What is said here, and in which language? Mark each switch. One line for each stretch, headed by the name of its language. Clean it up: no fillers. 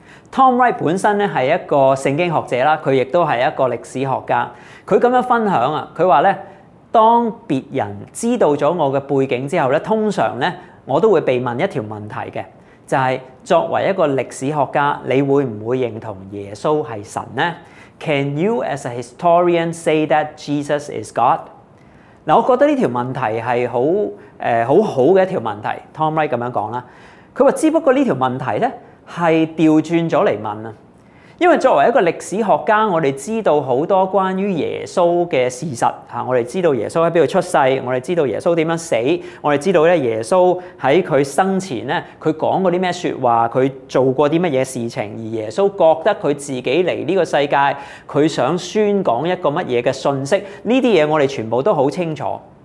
Chinese: Tom Wright 本身是一個聖經學者，他也是一個歷史學家，他這樣分享，他說當別人知道了我的背景之後，通常我都會被問一條問題，就是作為一個歷史學家，你會不會認同耶穌是神呢？
English: Can you as a historian say that Jesus is God?
Chinese: 我覺得這條問題是很好的一條問題， Tom Wright 這樣說，他說只不過這條問題是調轉了來問，因為作為一個歷史學家，我們知道很多關於耶穌的事實，我們知道耶穌在哪裡出世，我們知道耶穌怎樣死，我們知道耶穌在他生前他說過什麼說話，他做過什麼事情，而耶穌覺得他自己來這個世界，他想宣講一個什麼的訊息，這些東西我們全部都很清楚。